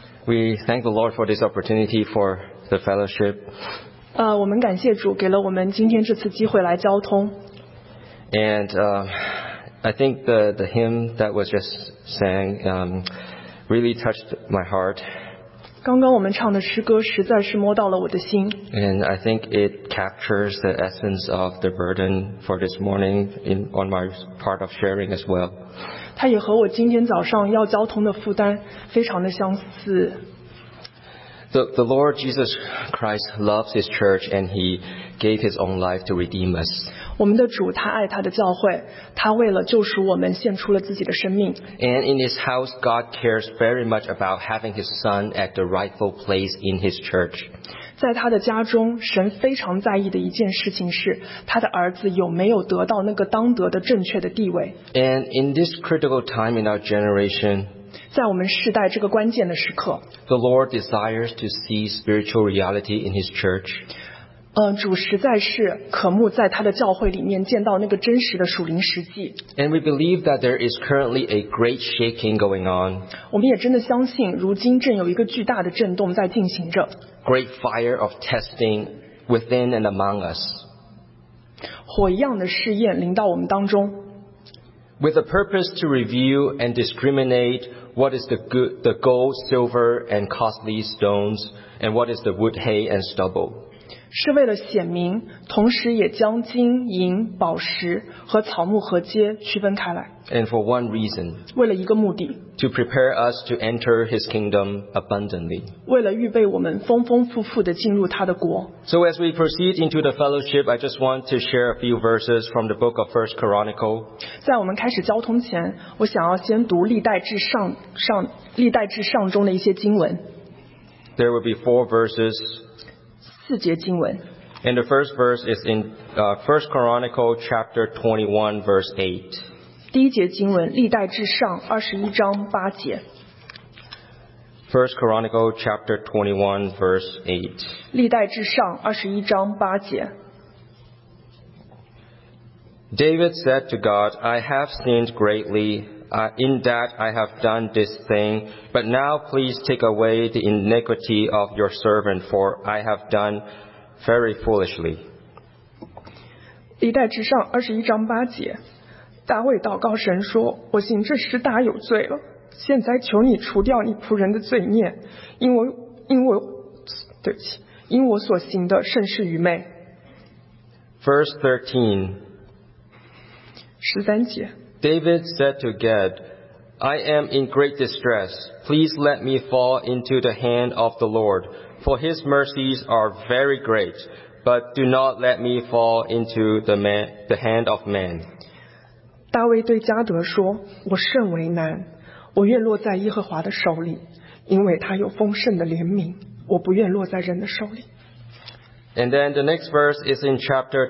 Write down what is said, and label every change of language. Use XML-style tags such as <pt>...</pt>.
<en>We thank the Lord for this opportunity for the fellowship.</en> <zh>我们感谢主给了我们今天这次机会来交通。</zh> <en>And I think the hymn that was just sang really touched my heart.</en> <zh>刚刚我们唱的诗歌实在是摸到了我的心。</zh> <en>And I think it captures the essence of the burden for this morning in, on my part of sharing as well.</en> <zh>它也和我今天早上要交通的负担非常的相似。</zh> <en>The Lord Jesus Christ loves His church and He gave His own life to redeem us.</en> <zh>我们的主他爱他的教会，他为了救赎我们献出了自己的生命。</zh> <en>And in His house, God cares very much about having His Son at the rightful place in His church.</en> <zh>在他的家中，神非常在意的一件事情是他的儿子有没有得到那个当得的正确的地位。</zh> <en>And in this critical time in our generation,</en> <zh>在我们世代这个关键的时刻</zh> <en>，The Lord desires to see spiritual reality in His church.</en> <zh>主实在是渴慕在他的教会里面见到那个真实的属灵实际。</zh> <en>And we believe that there is currently a great shaking going on.</en> <zh>我们也真的相信，如今正有一个巨大的震动在进行着。</zh> <en>Great fire of testing within and among us.</en> <zh>火一样的试验临到我们当中。</zh> <en>With a purpose to review and discriminate what is the, good, the gold, silver, and costly stones, and what is the wood, hay, and stubble.</en> <zh>是为了显明，同时也将金银宝石和草木禾秸区分开来。</zh> <en>And for one reason.</en> <zh>为了一个目的。</zh> <en>To prepare us to enter His kingdom abundantly.</en> <zh>为了预备我们丰丰富富地进入他的国。</zh> <en>So as we proceed into the fellowship, I just want to share a few verses from the book of 1 Chronicle.</en> <zh>在我们开始交通前，我想要先读历代至上中的一些经文。</zh> <en>There will be four verses.</en> <zh>四节经文。</zh> <en>And the first verse is in 1 Chronicle chapter 21 verse 8.</en> <zh>第一节经文，历代至上21章8节。</zh> <en>1 Chronicle chapter 21 verse 8.</en> <zh>历代至上21章8节。</zh> <en>David said to God, I have sinned greatly, in that I have done this thing, but now please take away the iniquity of your servant, for I have done very foolishly.</en> <zh>历代至上二十一章八节，大卫祷告神说：“我行这事大有罪了，现在求你除掉你仆人的罪孽，因我所行的甚是愚昧。”</zh> <en>Verse 13.</en> <zh>十三节。</zh> <en>David said to Gad, I am in great distress. Please let me fall into the hand of the Lord, for his mercies are very great, but do not let me fall into the hand of man.</en> <zh>大卫对加德说，我甚为难，我愿落在耶和华的手里，因为他有丰盛的怜悯，我不愿落在人的手里。</zh> <en>And then the next verse is in chapter</en>